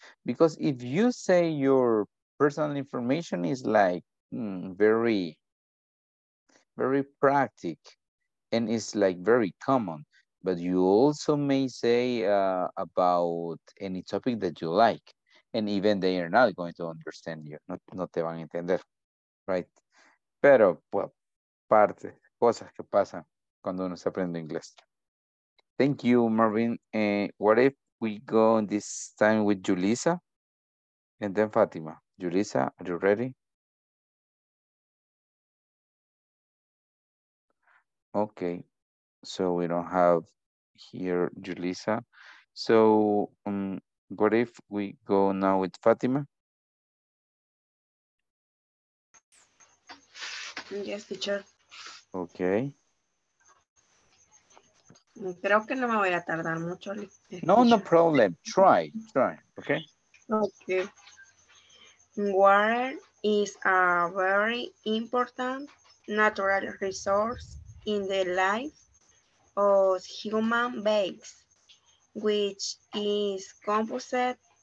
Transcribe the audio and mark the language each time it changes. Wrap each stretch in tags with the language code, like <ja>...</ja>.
<en>Because if you say your personal information is like very, very practical and it's like very common, but you also may say about any topic that you like, and even they are not going to understand you.</en> <es>No te van a entender.</es> <en>Right.</en> <es>Pero, well, parte, cosas que pasan cuando uno se aprende inglés.</es> <en>Thank you, Marvin. What if we go this time with Julissa and then Fatima? Julissa, are you ready? Okay. So we don't have here Julissa. So what if we go now with Fatima? Yes, teacher. Okay.</en> <es>Creo que no me voy a tardar mucho.</es> <en>No, no problem. Try. Okay. Okay. Water is a very important natural resource in the life of human beings, which is composed</en>